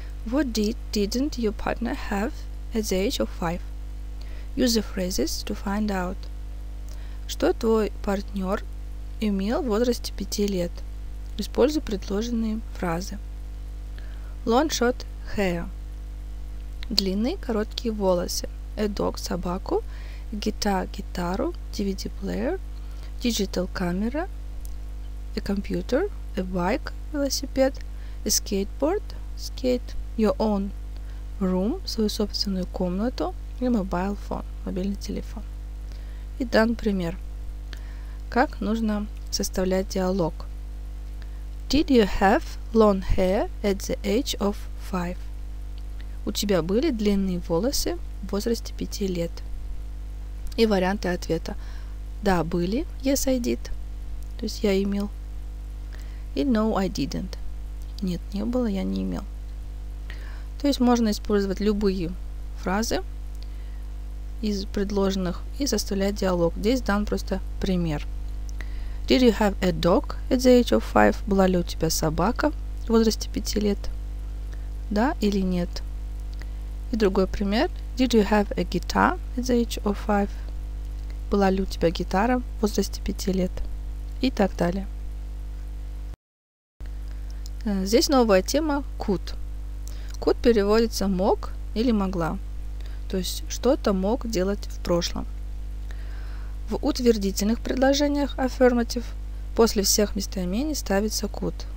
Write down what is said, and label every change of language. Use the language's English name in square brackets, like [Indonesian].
[English] What did didn't your partner have at the age of 5? Use the phrases to find out. [Russian] Что твой партнер имел в возрасте 5 лет? Используй предложенные фразы. [English] Long short hair. [Russian] Длинные короткие волосы. [English] A dog – [Russian] собаку. [English] Guitar – [Russian] гитару. [English] DVD player. Digital camera. A computer. A bike – [Russian] велосипед. [English] A skateboard – skate. Your own room – [Russian] свою собственную комнату. И [English] mobile phone [Russian] – мобильный телефон. И дан пример. Как нужно составлять диалог? [English] Did you have long hair at the age of 5? [Russian] У тебя были длинные волосы в возрасте 5 лет? И варианты ответа. Да, были. [English] Yes, I did. [Russian] То есть я имел. И [English] no, I didn't. [Russian] Нет, не было, я не имел. То есть можно использовать любые фразы из предложенных и составлять диалог. Здесь дан просто пример. [English] Did you have a dog at the age of 5? [Russian] Была ли у тебя собака в возрасте 5 лет? Да или нет? И другой пример. [English] Did you have a guitar at the age of 5? [Russian] Была ли у тебя гитара в возрасте 5 лет? И так далее. Здесь новая тема could. Could переводится мог или могла. То есть что-то мог делать в прошлом. В утвердительных предложениях affirmative после всех местоимений ставится could.